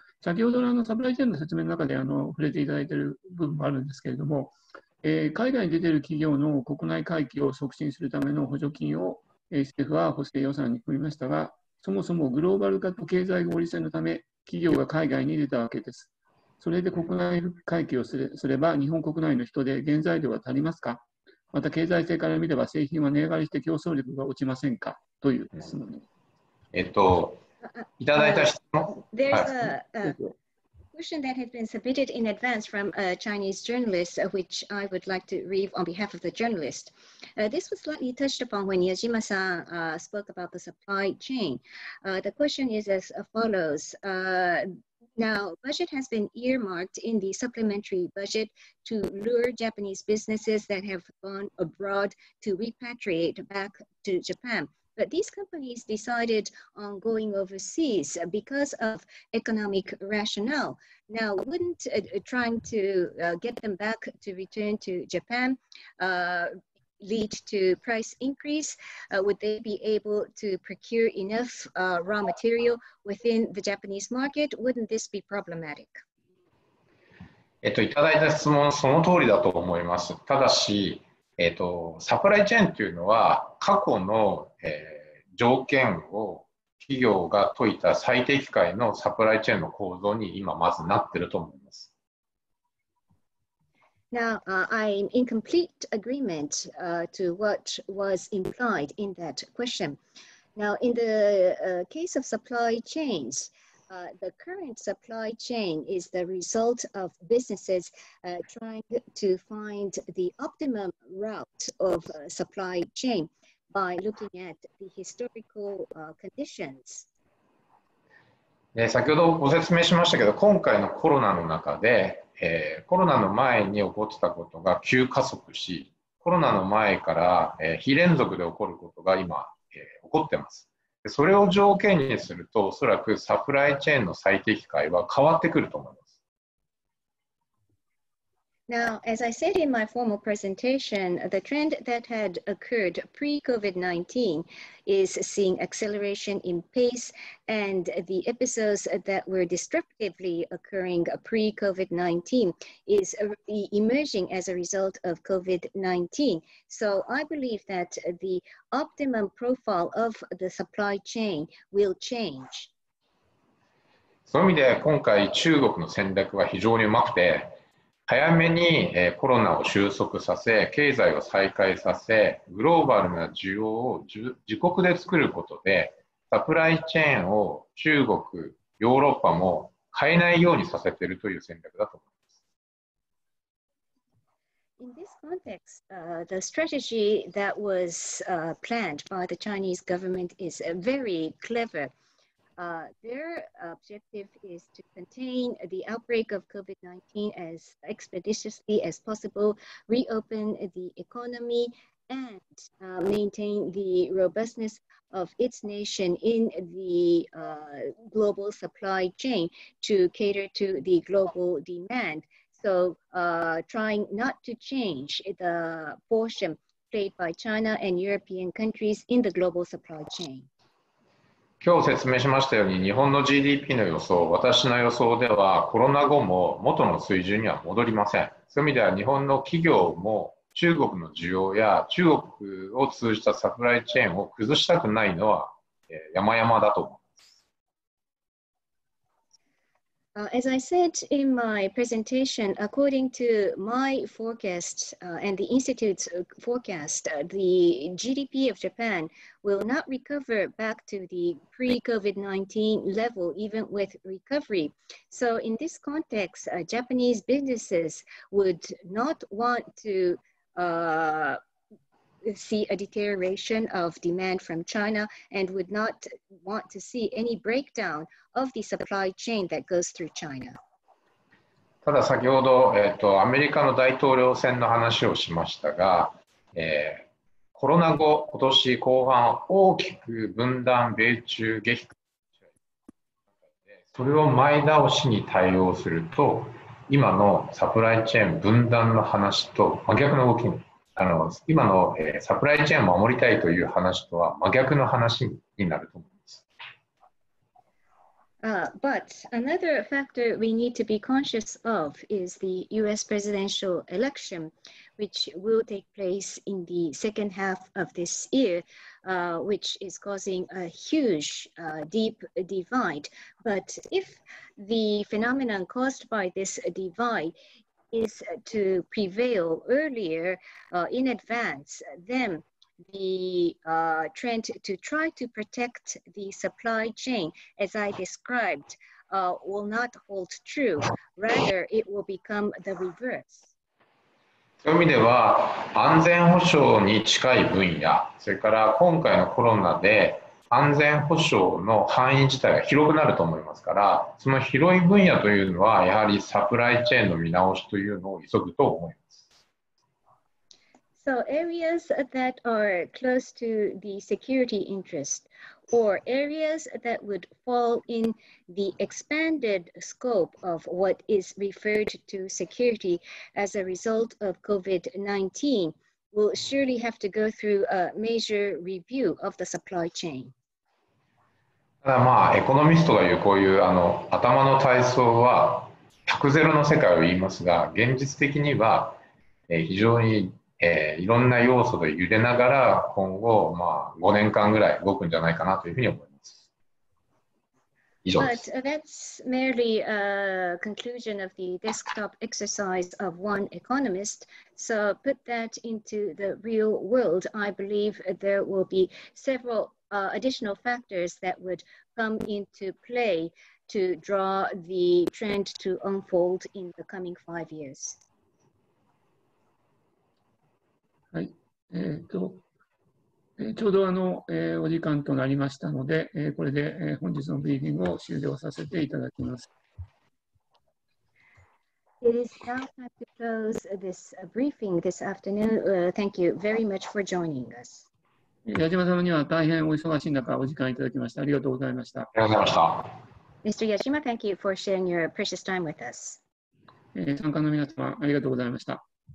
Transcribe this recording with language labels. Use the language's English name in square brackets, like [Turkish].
[Japanese] はいはい、先ほどのサプライチェーンの説明の中で触れていただいている部分もあるんですけれども、海外に出ている企業の国内回帰を促進するための補助金を、政府は補正予算に組みましたが、そもそもグローバル化と経済合理性のため、企業が海外に出たわけです。それで国内回帰をすれば日本国内の人で原材料は足りますか、また経済性から見れば製品は値上がりして競争力が落ちませんかという質問に、いただいた質問、 [English] There's a question that has been submitted in advance from a Chinese journalist, which I would like to read on behalf of the journalist. This was slightly touched upon when Yajima-san spoke about the supply chain. The question is as follows. Now, budget has been earmarked in the supplementary budget to lure Japanese businesses that have gone abroad to repatriate back to Japan. But these companies decided on going overseas because of economic rationale. Now, wouldn't trying to get them back to return to Japan lead to price increase? Would they be able to procure enough raw material within the Japanese market? Wouldn't this be problematic? [Japanese] いただいた質問はその通りだと思います。ただし、サプライチェーンというのは過去の、条件を企業が解いた最適解のサプライチェーンの構造に今まずなっていると思います。 [English] Now, I'm in complete agreement to what was implied in that question. Now, in the case of supply chains, The current supply chain is the result of businesses trying to find the optimum route of supply chain by looking at the historical conditions. [Japanese] 先ほどご説明しましたけど、今回のコロナの中で、コロナの前に起こってたことが急加速し、コロナの前から、非連続で起こることが今、起こってます。それを条件にすると、おそらくサプライチェーンの最適解は変わってくると思います。 [English] Now, as I said in my formal presentation, the trend that had occurred pre-COVID-19 is seeing acceleration in pace, and the episodes that were disruptively occurring pre-COVID-19 is emerging as a result of COVID-19. So I believe that the optimum profile of the supply chain will change. [Japanese] そういう意味で、今回中国の戦略は非常にうまくて、早めにコロナを収束させ、経済を再開させ、グローバルな需要を自国で作ることで、サプライチェーンを中国、ヨーロッパも変えないようにさせているという戦略だと思います。 [English] In this context, the strategy that was planned by the Chinese government is very clever. Their objective is to contain the outbreak of COVID-19 as expeditiously as possible, reopen the economy, and maintain the robustness of its nation in the global supply chain to cater to the global demand. So, trying not to change the portion played by China and European countries in the global supply chain. [Japanese] 今日説明しましたように、日本の GDP の予想、私の予想ではコロナ後も元の水準には戻りません。そういう意味では日本の企業も中国の需要や中国を通じたサプライチェーンを崩したくないのは、山々だと思います。 [English] As I said in my presentation, according to my forecast, and the Institute's forecast, the GDP of Japan will not recover back to the pre-COVID-19 level, even with recovery. So in this context, Japanese businesses would not want to see a deterioration of demand from China and would not want to see any breakdown of the supply chain that goes through China. [Japanese] ただ先ほど、アメリカの大統領選の話をしましたが、コロナ後、今年後半、大きく分断、米中激化、それを前倒しに対応すると、今のサプライチェーン分断の話と真逆の動きに、今のサプライチェーンを守りたいという話とは真逆の話になると思います。 [English] But another factor we need to be conscious of is the US presidential election, which will take place in the second half of this year, which is causing a huge deep divide. But if the phenomenon caused by this divide is to prevail earlier in advance, then the trend to try to protect the supply chain, as I described, will not hold true. Rather, it will become the reverse. [Japanese] そういう意味では、安全保障に近い分野、それから今回のコロナで安全保障の範囲自体が広くなると思いますから、その広い分野というのは、やはりサプライチェーンの見直しというのを急ぐと思います。 [English] So areas that are close to the security interest or areas that would fall in the expanded scope of what is referred to security as a result of COVID-19 will surely have to go through a major review of the supply chain. [Japanese] ただまあ、エコノミストが言うこういう頭の体操は100ゼロの世界を言いますが、現実的には非常にいろんな要素で揺れながら今後、まあ、5年間ぐらい動くんじゃないかなというふうに思います。以上です。 [English] But that's merely a conclusion of the desktop exercise of one economist. So put that into the real world. I believe there will be several additional factors that would come into play to draw the trend to unfold in the coming 5 years? [Japanese] はい、ちょうどお時間となりましたので、これで、本日のブリーフィングを終了させていただきます。 [English] It is now time to close this briefing this afternoon. Thank you very much for joining us. [Japanese] 矢嶋様には大変お忙しい中お時間いただきました。ありがとうございました。ありがとうございました。 [English] Mr. Yajima, thank you for sharing your precious time with us. [Japanese] 参加の皆様、ありがとうございました。